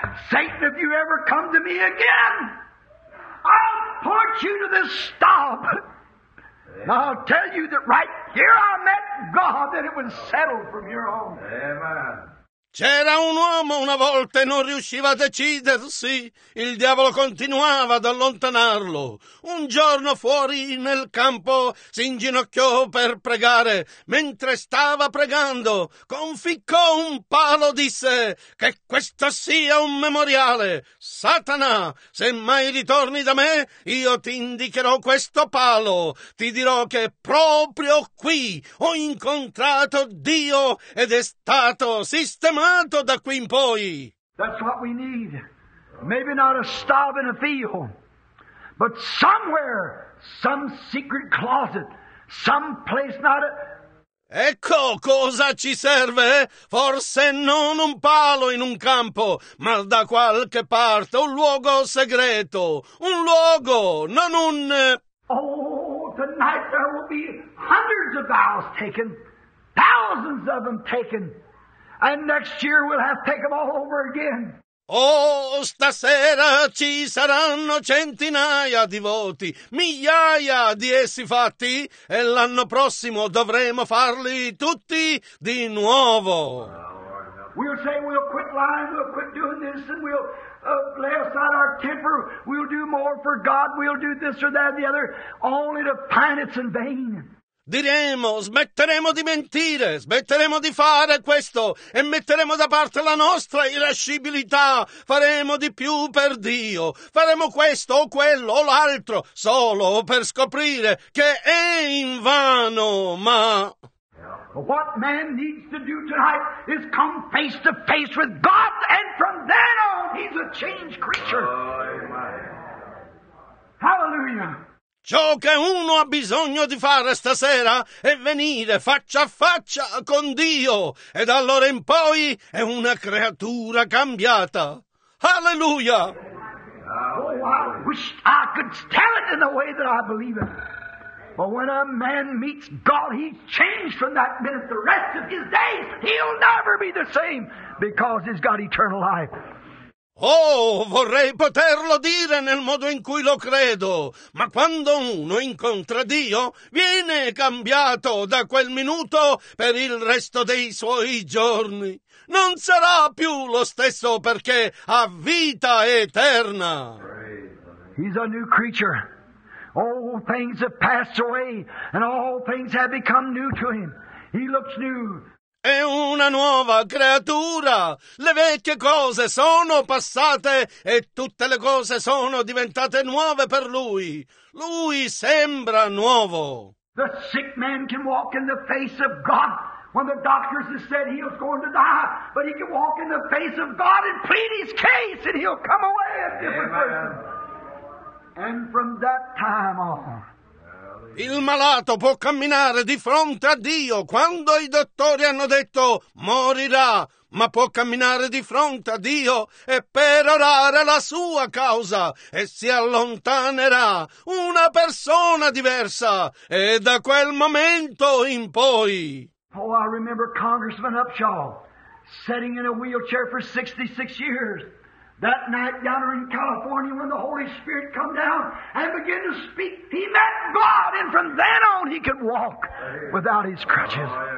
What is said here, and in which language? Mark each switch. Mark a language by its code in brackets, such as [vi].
[en] Satan, if you ever come to me again, I'll point you to this stop. And I'll tell you that right here I met God, that it was settled from here on." Amen. [it] C'era un uomo una volta e non riusciva a decidersi. Il diavolo continuava ad allontanarlo. Un giorno fuori nel campo si inginocchiò per pregare. Mentre stava pregando, conficcò un palo, disse: "Che questo sia un memoriale. Satana, se mai ritorni da me, io ti indicherò questo palo. Ti dirò che proprio qui ho incontrato Dio ed è stato sistemato da qui in poi." [en] That's what we need. Maybe not a stop in a field, but somewhere, some secret closet, some place not a... [it] Ecco cosa ci serve. Forse non un palo in un campo, ma da qualche parte, un luogo segreto. Un luogo, non un... [en] Oh, tonight there will be hundreds of vows taken, thousands of them taken. And next year we'll have to take them all over again. [it] Oh, stasera ci saranno centinaia di voti, migliaia di essi fatti, e l'anno prossimo dovremo farli tutti di nuovo. [en] We'll say we'll quit lying, we'll quit doing this, and we'll lay aside our temper, we'll do more for God, we'll do this or that or the other, only to find it's in vain. [it] Diremo, smetteremo di mentire, smetteremo di fare questo e metteremo da parte la nostra irascibilità. Faremo di più per Dio, faremo questo o quello o l'altro, solo per scoprire che è in vano. Ma [en] what man needs to do tonight is come face to face with God, and from then on he's a changed creature. Hallelujah. [it] Ciò che uno ha bisogno di fare stasera è venire faccia a faccia con Dio, e da allora in poi è una creatura cambiata. Alleluia! [en] Oh, I wish I could tell it in the way that I believe it. But when a man meets God, he's changed from that minute. The rest of his days, he'll never be the same, because he's got eternal life. [it] Oh, vorrei poterlo dire nel modo in cui lo credo, ma quando uno incontra Dio, viene cambiato da quel minuto per il resto dei suoi giorni. Non sarà più lo stesso, perché ha vita eterna. [en] He's a new creature. All things have passed away, and all things have become new to him. He looks new. [it] È una nuova creatura. Le vecchie cose sono passate e tutte le cose sono diventate nuove per lui. Lui sembra nuovo. [en] The sick man can walk in the face of God when the doctors have said he was going to die, but he can walk in the face of God and plead his case, and he'll come away a different person. And from that time on, [it] il malato può camminare di fronte a Dio quando i dottori hanno detto morirà, ma può camminare di fronte a Dio e perorare la sua causa, e si allontanerà una persona diversa, e da quel momento in poi. [en] Oh, I remember Congressman Upshaw sitting in a wheelchair for 66 years. That night down in California, when the Holy Spirit come down and began to speak, he met God, and from then on he could walk without his crutches.